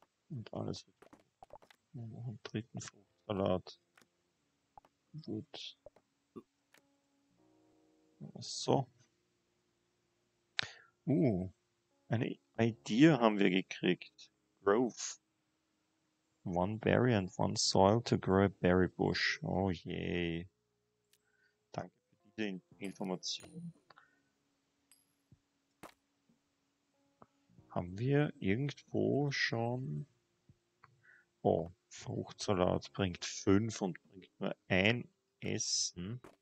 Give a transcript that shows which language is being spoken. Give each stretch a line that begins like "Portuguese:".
German: Und alles wird gut. Noch einen dritten Fruchtsalat. Gut. So. Eine Idee haben wir gekriegt.
English: Growth. One berry and one soil to grow a berry bush. Oh yay.
German: Danke für diese Information. Haben wir irgendwo schon... Oh, Fruchtsalat bringt 5 und bringt nur ein Essen.